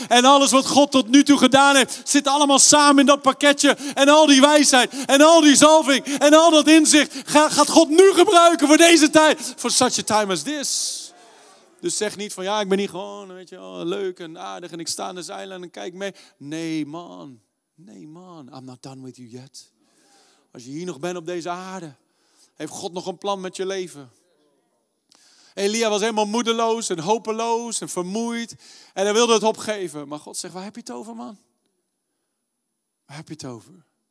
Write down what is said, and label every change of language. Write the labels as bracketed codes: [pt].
[nl] En alles wat God tot nu toe gedaan heeft, zit allemaal samen in dat pakketje. En al die wijsheid, en al die zalving, en al dat inzicht, gaat God nu gebruiken voor deze tijd. [en] For such a time as this. [nl] Dus zeg niet van, ja, ik ben hier gewoon, weet je, oh, leuk en aardig en ik sta aan de zijlijn en kijk mee. [en] Nee man, I'm not done with you yet. [nl] Als je hier nog bent op deze aarde, heeft God nog een plan met je leven. Elia was helemaal moedeloos en hopeloos en vermoeid en hij wilde het opgeven. Maar God zegt, waar heb je het over, man? Waar heb je het over?